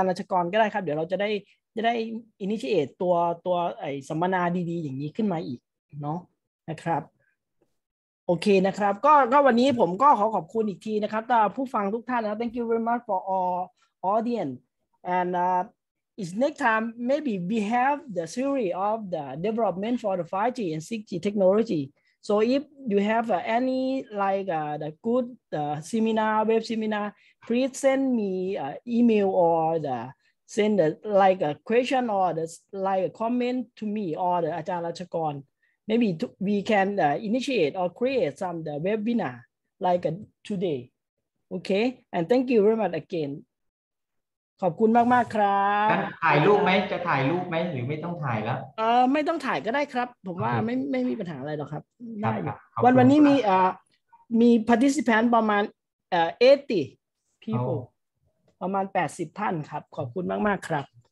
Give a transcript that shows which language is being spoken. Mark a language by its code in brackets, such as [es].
[th] กรก็ได้ครับเดี๋ยวเราจะได้ initiate ตัวไอ้สัมมนาดีๆอย่างนี้ขึ้นมาอีกเนาะนะครับโอเคนะครับก็วันนี้ผมก็ขอบคุณอีกทีนะครับต่อผู้ฟังทุกท่านนะ [en] Thank you very much for all audienceAnd it's next time, maybe we have the series of the development for the 5G and 6G technology. So if you have any like the good seminar, web seminar, please send me email or send like a question or like a comment to me or the Ajahn Rachakorn. Maybe we can initiate or create some the webinar like today. Okay, and thank you very much again. [th] ขอบคุณมากๆครับ ถ่ายรูปไหมจะถ่ายรูปไหมหรือไม่ต้องถ่ายแล้ ว ไม่ต้องถ่ายก็ได้ครับผมว่าไม่มีปัญหาอะไรหรอกครับได้ วันนี้มี participant ประมาณ80 people ประมาณ80ท่านครับขอบคุณมากๆครับ